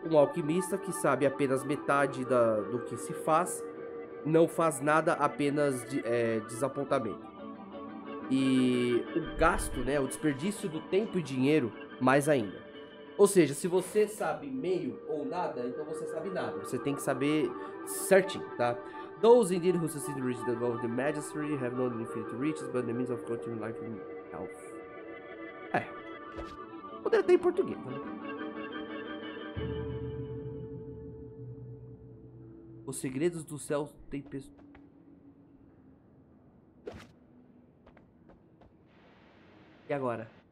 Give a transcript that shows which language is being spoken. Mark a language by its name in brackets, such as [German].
[Portuguese] Um alquimista que sabe apenas metade do que se faz, não faz nada, apenas desapontamento. E o gasto, né, o desperdício do tempo e dinheiro, mais ainda. Ou seja, se você sabe meio ou nada, então você sabe nada. Você tem que saber certinho, tá? [English] Those indeed who succeed in reaching the goal of the magistrate have not infinite riches, but the means of continuing life and health. [Portuguese] Poderia ter em português, né? Os segredos do céu têm peso. E agora?